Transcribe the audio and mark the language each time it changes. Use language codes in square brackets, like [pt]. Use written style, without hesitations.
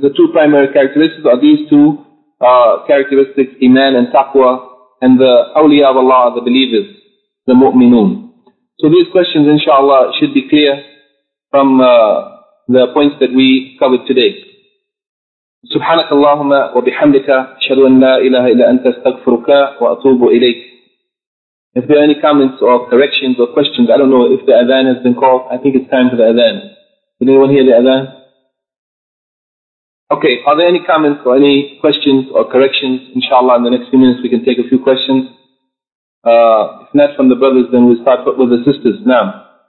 [en] The two primary characteristics are these two characteristics, iman and taqwa, and the awliya of Allah, the believers, the mu'minun. So these questions, inshallah, should be clear from the points that we covered today. [ar] سبحانك اللهم وبحمدك أشهد أن لا إله إلا أنت استغفرك وأتوب إليك. [en] If there are any comments or corrections or questions, I don't know if the adhan has been called. I think it's time for the adhan. Did anyone hear the adhan? Okay, are there any comments or any questions or corrections? Inshallah, in the next few minutes we can take a few questions. If not from the brothers, then we'll start with the sisters. Naam.